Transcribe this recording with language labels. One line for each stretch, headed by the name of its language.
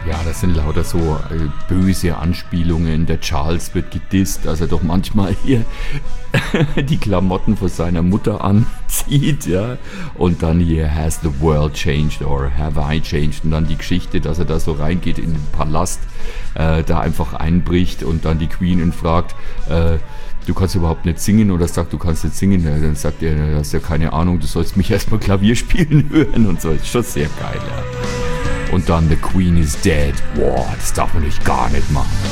German: sind lauter so böse Anspielungen. Der Charles wird gedisst, dass er doch manchmal hier die Klamotten von seiner Mutter anzieht, ja. Und dann hier,
English: has the world changed or have I changed?
German: Und dann die Geschichte, dass er da so reingeht in den Palast, da einfach einbricht und dann die Queen ihn fragt, du kannst überhaupt nicht singen, oder sagt, du kannst nicht singen. Ja, dann sagt er, du hast ja keine Ahnung, du sollst mich erstmal Klavier spielen hören und so. Ist schon sehr geil, ja. Und dann,
English: the Queen is dead.
German: Boah, das darf man nicht gar nicht machen.